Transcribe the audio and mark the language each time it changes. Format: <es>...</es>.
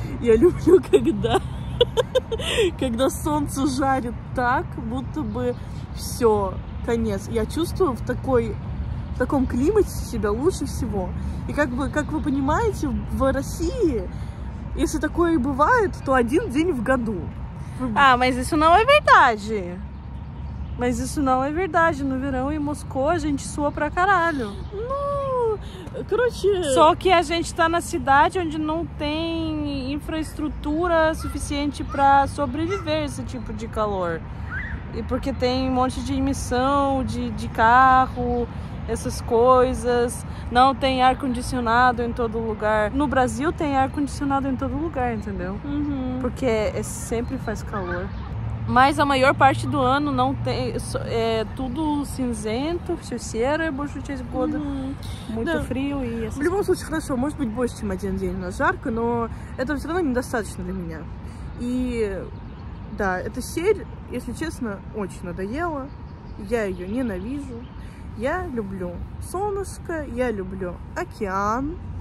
<ru>Я люблю, когда когда солнце жарит так, будто бы все, конец. Я чувствую в таком климате себя лучше всего. И как бы, как вы понимаете, в России, если такое и бывает, то один день в году.</ru> <pt>А, mas isso não é verdade. Mas isso não é verdade. No verão em Moscou a gente sua pra caralho.</pt> <ru>Ну, короче...</ru> <pt>Só que a gente tá na cidade onde não tem infraestrutura suficiente pra sobreviver esse tipo de calor. E porque tem um monte de emissão de carro, essas coisas. Não tem ar-condicionado em todo lugar. No Brasil tem ar-condicionado em todo lugar, entendeu? Uhum. Porque sempre faz calor. Mas a maior parte do ano não tem, é tudo cinzento,</pt> <ru>всё серое, больше часть года.</ru> <pt>Muito frio e assim.</pt> <ru>В любом случае, хорошо, может быть, больше, чем один день, но жарко, но этого всё равно недостаточно для меня. И да, эта серь, если честно, очень надоела. Я её ненавижу. Я люблю солнышко, я люблю океан.</ru>